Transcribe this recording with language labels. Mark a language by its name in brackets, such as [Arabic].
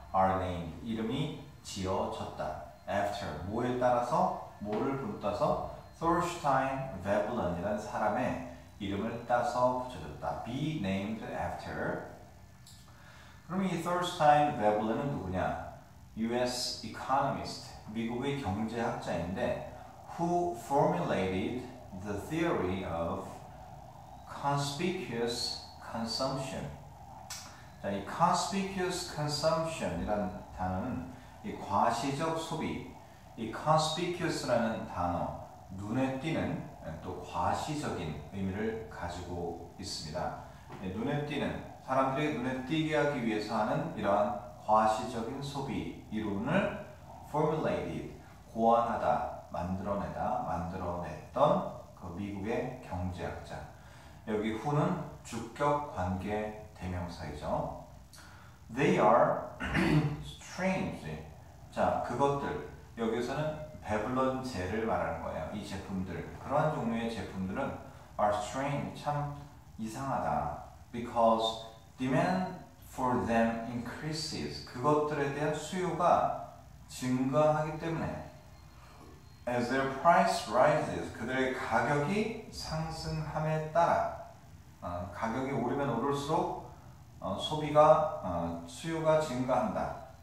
[English] Are named, [Korean] 이름이 지어졌다. [English] After, [Korean] 뭐에 따라서, 뭐를 붙어서 Thorstein Veblen이라는 사람의 이름을 따서 붙여졌다. [English] Be named after. [Korean] 그럼 이 Thorstein Veblen은 누구냐? [English] US economist, [Korean] 미국의 경제학자인데, [English] who formulated the theory of conspicuous consumption. [Korean] 자, 이 conspicuous consumption이라는 단어는 이 과시적 소비, 이 conspicuous라는 단어, 눈에 띄는 또 과시적인 의미를 가지고 있습니다. 눈에 띄는 사람들이 눈에 띄게 하기 위해서 하는 이러한 과시적인 소비 이론을 formulated, 고안하다, 만들어내다, 만들어냈던 그 미국의 경제학자. 여기 who는 주격 관계 대명사이죠. [English] They are strange. [Korean] 자, 그것들. 여기서는 베블런제를 말하는 거예요. 이 제품들. 그러한 종류의 제품들은 [English] are strange. [Korean] 참 이상하다. [English] Because demand for them increases. [Korean] 그것들에 대한 수요가 증가하기 때문에. [English] As their price rises. [Korean] 그들의 가격이 상승함에 따라. 가격이 오르면 오를수록 소비가, 수요가 증가한다.